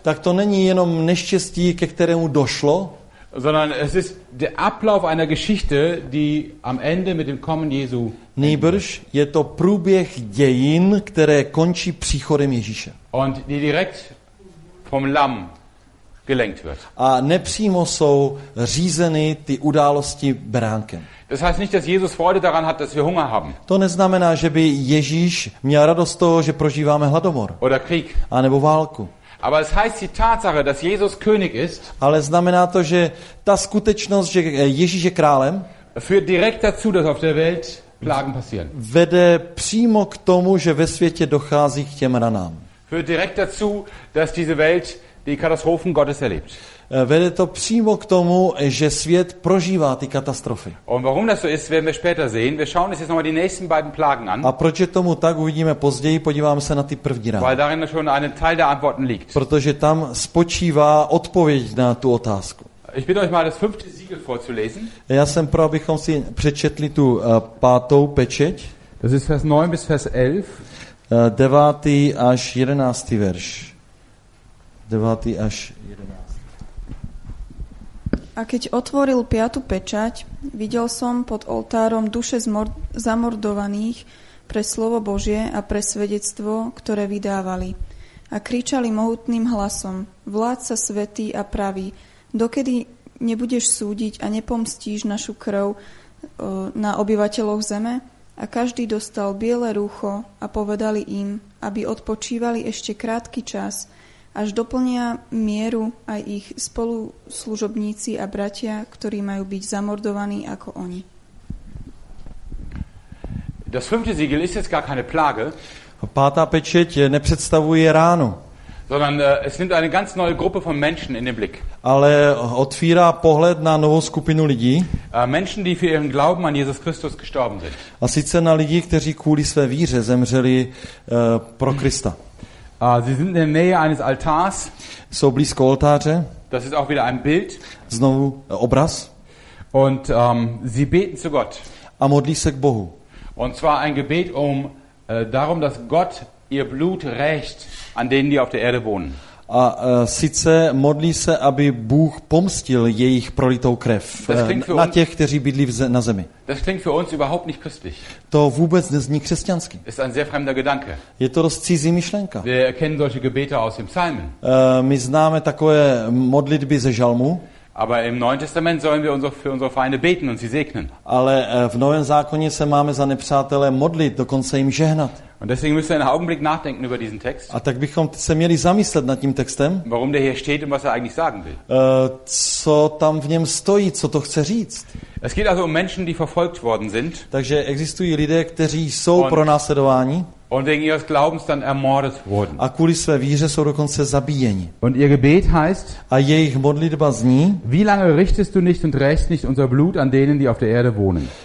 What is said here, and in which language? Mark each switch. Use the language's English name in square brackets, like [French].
[Czech] Tak to není jenom neštěstí, ke kterému došlo, [German] sondern es ist der Ablauf einer Geschichte, die am Ende mit dem Kommen Jesu. [Czech] Nýbrž je to průběh dějin, které končí příchodem Ježíše. [German] Und die direkt vom Lamm gelenkt wird. [Czech] A nepřímo jsou řízeny ty události beránkem. [German] Das heißt nicht, dass Jesus Freude daran hat, dass wir Hunger haben. [Czech] To neznamená, že by Ježíš měl radost toho, že prožíváme hladomor. [German] Oder Krieg. [Czech] A nebo válku. [German] Aber es heißt die Tatsache, dass Jesus König ist. [Czech] Ale znamená to, že ta skutečnost, že Ježíš je králem, [German] führt direkt dazu, dass auf der Welt Plagen passieren. [Czech] Vede přímo k tomu, že ve světě dochází k těm ranám. [German] Führt direkt dazu, dass diese Welt die Katastrophen Gottes erlebt. [Czech] Vede to přímo k tomu, že svět prožívá ty katastrofy. [German] Und warum das so ist, werden wir später sehen. Wir schauen uns jetzt nochmal die nächsten beiden Plagen an. [Czech] A proč je tomu tak, uvidíme později, podíváme se na ty první rány. [German] Weil darin schon ein Teil der Antworten liegt. [Czech] Protože tam spočívá odpověď na tu otázku. [German] Ich bitte euch mal das fünfte Siegel vorzulesen. [Czech] Já jsem pro, abychom si přečetli tu pátou pečeť. [German] Das ist Vers 9 bis Vers 11. [Czech] 9. až 11. verš. 9. až 11. [Slovak] A keď otvoril piatu pečať, videl som pod oltárom duše zamordovaných pre slovo Božie a pre svedectvo, ktoré vydávali. A kričali mohutným hlasom: Vládca svätý a pravý, dokedy nebudeš súdiť a nepomstíš našu krv na obyvateľoch zeme? A každý dostal biele rúcho a povedali im, aby odpočívali ešte krátky čas, až doplnia mieru aj ich spoluslužobníci a bratia, ktorí majú byť zamordovaní ako oni. [German] Das fünfte Siegel ist jetzt gar keine Plage. [Czech] Pátá pečeť nepredstavuje ránu. [German] Sondern es nimmt eine ganz neue Gruppe von Menschen in den Blick. [Czech] Ale otvírá pohled na novou skupinu lidí. [German] Menschen, die für ihren Glauben an Jesus Christus gestorben sind. [Czech] A sice na lidi, kteří kvůli své víře zemřeli pro Krista. [German] Sie sind in der Nähe eines Altars. [Czech] Jsou blízko oltáře. [German] Das ist auch wieder ein Bild. [Czech] Znovu obraz. [German] Und sie beten zu Gott. [Czech] A modlí se k Bohu. [German] Und zwar ein Gebet um darum, dass Gott ihr Blut rächt an denen, die auf der Erde wohnen. [Czech] A sice modlí se, aby Bůh pomstil jejich prolitou krev na těch, kteří bydlí na zemi. [German] Das klingt für uns überhaupt nicht christlich. [Czech] To vůbec nezní křesťanský. [German] Ist ein sehr fremder Gedanke. [Czech] Je to dost cizí myšlenka. [German] Wir erkennen solche Gebete aus dem Psalmen. [Czech] My známe takové modlitby ze žalmu. [German] Aber im Neuen Testament sollen wir für unsere Feinde beten und sie segnen. [Czech] Ale v Novém zákoně se máme za nepřátele modlit, dokonce jim žehnat. [German] Und deswegen müssen wir einen Augenblick nachdenken über diesen Text. [Czech] A tak bychom se měli zamyslet nad tím textem. [German] Warum der hier steht und was er eigentlich sagen will. [Czech] Co tam v něm stojí, co to chce říct. [German] Es geht also um Menschen, die verfolgt worden sind. [Czech] Takže existují lidé, kteří jsou pronásledováni. [German] Und wegen ihres Glaubens dann ermordet wurden. [Czech] A kvůli své víře jsou dokonce zabíjeni. [German] Und ihr Gebet heißt, [Czech] a jejich modlitba zní: [German] Wie lange richtest du nicht und rächst nicht unser Blut an denen, die auf der Erde wohnen?